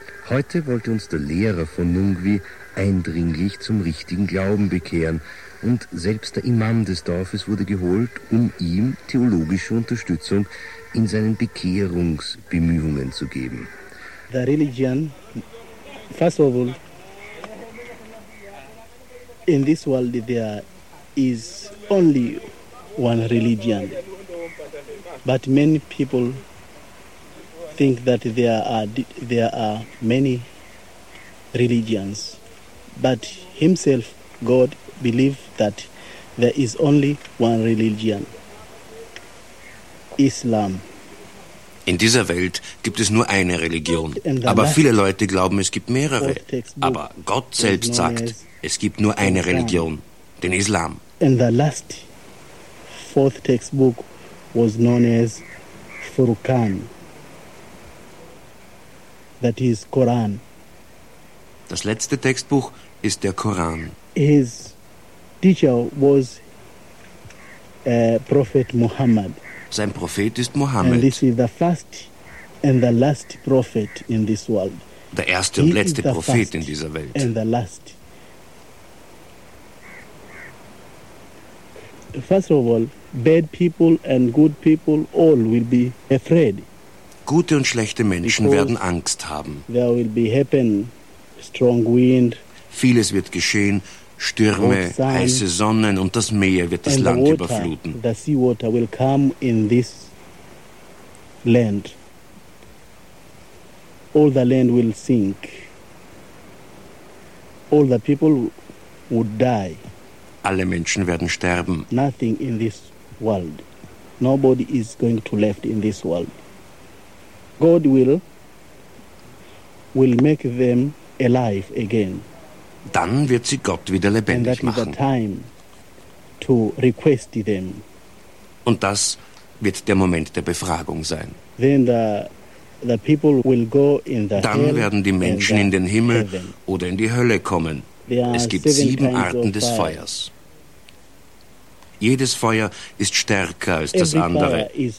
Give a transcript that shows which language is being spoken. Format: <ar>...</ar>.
<de>Heute wollte uns der Lehrer von Nungwi eindringlich zum richtigen Glauben bekehren und selbst der Imam des Dorfes wurde geholt, um ihm theologische Unterstützung in seinen Bekehrungsbemühungen zu geben.</de> <en>The religion, first of all, in this world there is only one religion, but many people think that there are many religions, but himself, God, believes that there is only one religion, Islam.</en> <de>In dieser Welt gibt es nur eine Religion, aber viele Leute glauben, es gibt mehrere. Aber Gott selbst sagt, es gibt nur eine Religion, den Islam.</de> <en>And the last fourth textbook was known as Furqan. That is Quran.</en> <de>Das letzte Textbuch ist der Koran.</de> <en>His teacher was Prophet Muhammad.</en> <de>Sein Prophet ist Mohammed.</de> <en>And this is the first and the last prophet in this world.</en> <de>Der erste und letzte Prophet in dieser Welt.</de> <en>And the last. First of all, bad people and good people all will be afraid.</en> <de>Gute und schlechte Menschen werden Angst haben.</de> <en>There will be happen, strong wind,</en> <de>vieles wird geschehen, Stürme, sun, heiße Sonnen und das Meer wird das Land überfluten.</de> <en>The sea water will come in this land. All the land will sink. All the people would die.</en> <de>Alle Menschen werden sterben.</de> <en>Nothing in this world. Nobody is going to left in this world. God will make them alive again.</en> <de>Dann wird sie Gott wieder lebendig machen.</de> <en>And that is the time to request them.</en> <de>Und das wird der Moment der Befragung sein.</de> <en>Then the people will go in the</en> <de>Dann</de> <en>hell</en> <de>werden die Menschen in den Himmel heaven. Oder in die Hölle kommen. Es gibt sieben Arten des Feuers. Jedes Feuer ist stärker als das andere.</de>